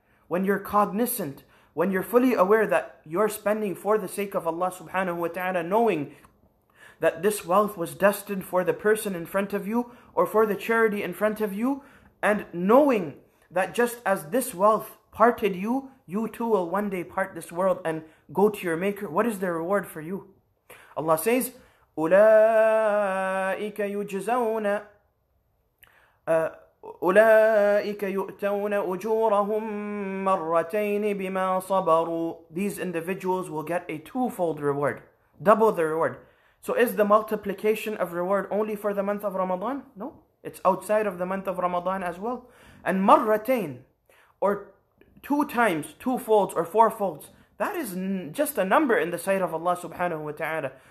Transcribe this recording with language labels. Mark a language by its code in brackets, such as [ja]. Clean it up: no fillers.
[en] When you're cognizant, when you're fully aware that you're spending for the sake of Allah subhanahu wa ta'ala, knowing that this wealth was destined for the person in front of you or for the charity in front of you, and knowing that just as this wealth parted you, you too will one day part this world and go to your maker. What is the reward for you? Allah says, [ar] أُولَٰئِكَ يُجْزَوْنَ أُولَٰئِكَ يُؤْتَوْنَ أُجُورَهُمْ مَرَّتَيْنِ بِمَا صَبَرُوا. [en] These individuals will get a twofold reward. Double the reward. So is the multiplication of reward only for the month of Ramadan? No. It's outside of the month of Ramadan as well. And مرتين, or two times, two folds or four folds, that is just a number in the sight of Allah subhanahu wa ta'ala.